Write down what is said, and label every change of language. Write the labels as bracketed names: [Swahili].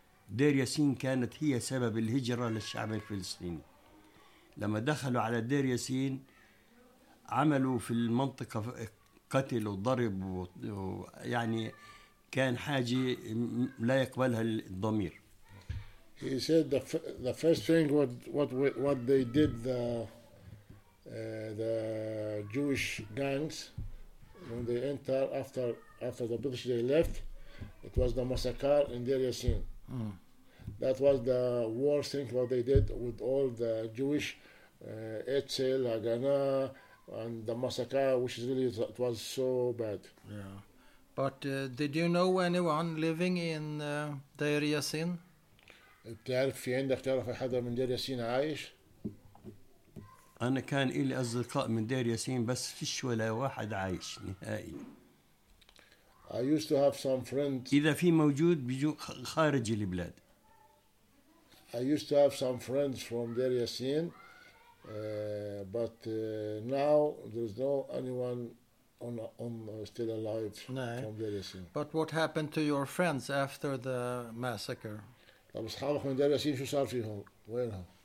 [Arabic] دير ياسين كانت هي سبب الهجرة للشعب الفلسطيني لما دخلوا على دير ياسين عملوا في المنطقة قتل وضرب ويعني كان حاجة لا يقبلها الضمير. [English] He said the first thing what they did the Jewish gangs when they enter after the British they left it was the massacre in Deir Yassin. That was the worst thing what they did with all the Jewish Etzel, Haganah, and the massacre, which is really, it was so bad. Yeah. But did you know anyone living in Deir Yassin? [Arabic] بتعرف في عندك تعرف حدا من دير ياسين عايش؟ أنا كان إلي أصدقاء من دير ياسين بس فيش ولا واحد عايش نهائي. [English] I used to have some friends. [Arabic] إذا في موجود بيجو خارج البلاد. [English] I used to have some friends from Deir Yassin, but now there's no anyone on still alive from Deir Yassin. But what happened to your friends after the massacre? [Arabic] طب أصحابك من دير ياسين شو صار فيهم؟ وينهم؟